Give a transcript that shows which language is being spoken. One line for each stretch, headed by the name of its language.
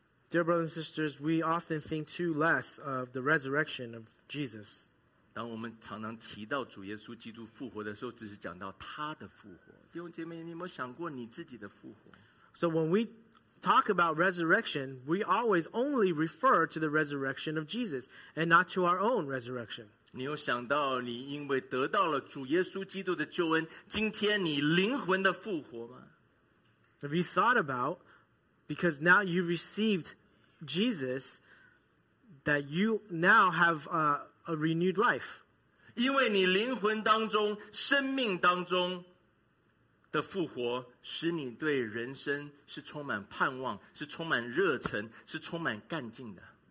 English: Dear brothers and sisters, we often think too less of the resurrection of Jesus.
Chinese: 当我们常常提到主耶稣基督复活的时候，只是讲到他的复活。弟兄姐妹，你有没有想过你自己的复活？
English: So when we talk about resurrection, we always only refer to the resurrection of Jesus and not to our own resurrection.
Chinese: 你有想到你因为得到了主耶稣基督的救恩，今天你灵魂的复活吗？
English: Have you thought about, because now you received Jesus, that you now have a renewed life?
Chinese: 因为你灵魂当中、生命当中的复活，使你对人生是充满盼望，是充满热忱，是充满干劲的。